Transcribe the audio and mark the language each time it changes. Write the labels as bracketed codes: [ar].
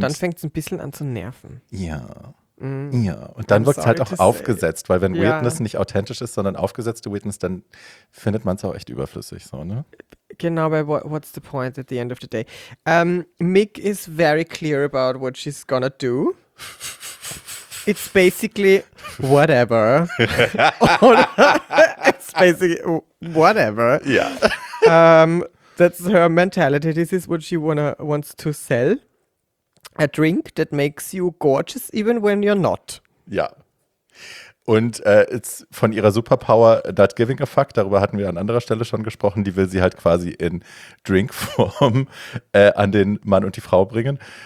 [de] dann fängt es ein bisschen an zu nerven. Ja. Ja, und dann wirkt es halt auch aufgesetzt, weil wenn Weirdness nicht authentisch ist, sondern aufgesetzte Weirdness, dann findet man es auch echt überflüssig, so, ne? [en] Genau, but what's the point at the end of the day? Mick is very clear about what she's gonna do. It's basically whatever. It's basically whatever. Yeah. That's her mentality. This is what she wants to sell. A drink that makes you gorgeous, even when you're not. [de] Ja. Und it's von ihrer Superpower, [en] that giving a fuck, [de] darüber hatten wir an anderer Stelle schon gesprochen, die will sie halt quasi in Drinkform an den Mann und die Frau bringen.